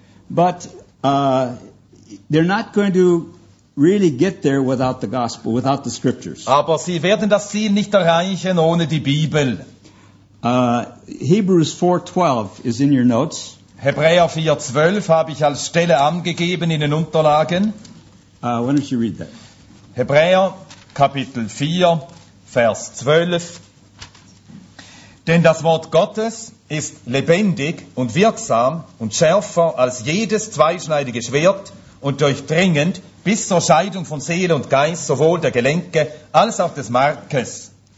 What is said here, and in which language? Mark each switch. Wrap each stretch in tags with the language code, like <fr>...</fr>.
<en>But they're not going to really get there without the gospel, without the scriptures.</en> <de>Aber sie werden das Ziel nicht erreichen ohne die Bibel.</de> <en>Hebrews 4:12 is in your notes.</en> <de>Hebräer 4:12 habe ich als Stelle angegeben in den Unterlagen.</de> <en>Why don't you read that?</en> <de>Hebräer Kapitel 4, Vers 12. Denn das Wort Gottes ist lebendig und wirksam und schärfer als jedes zweischneidige Schwert und durchdringend bis zur Scheidung von Seele und Geist, sowohl der Gelenke als auch des Markes.</de>